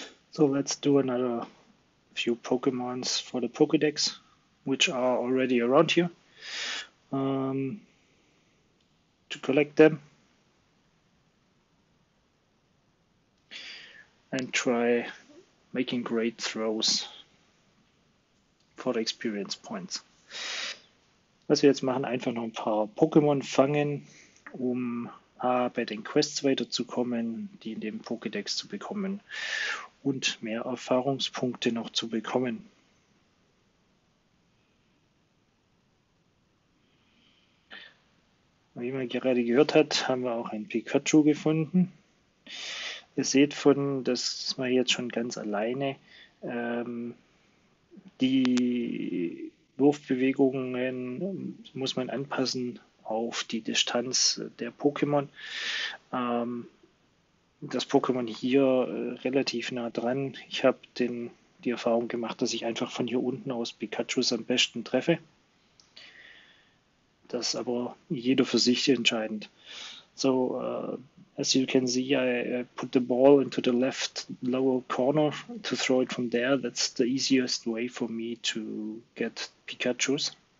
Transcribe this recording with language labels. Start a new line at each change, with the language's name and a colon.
English: So let's do another few Pokemons for the Pokédex, which are already around here, to collect them and try making great throws for the experience points.
German: Was wir jetzt machen, einfach noch ein paar Pokémon fangen, um bei den Quests weiterzukommen, die in dem Pokédex zu bekommen. Und mehr Erfahrungspunkte noch zu bekommen. Wie man gerade gehört hat, haben wir auch ein Pikachu gefunden. Ihr seht von, dass man jetzt schon ganz alleine die Wurfbewegungen muss man anpassen auf die Distanz der Pokémon. Das Pokémon hier relativ nah dran. Ich habe die Erfahrung gemacht, dass ich einfach von hier unten aus Pikachus am besten treffe. Das ist aber jeder für sich entscheidend.
English: So, as you can see, I put the ball into the left lower corner to throw it from there. That's the easiest way for me to get Pikachus.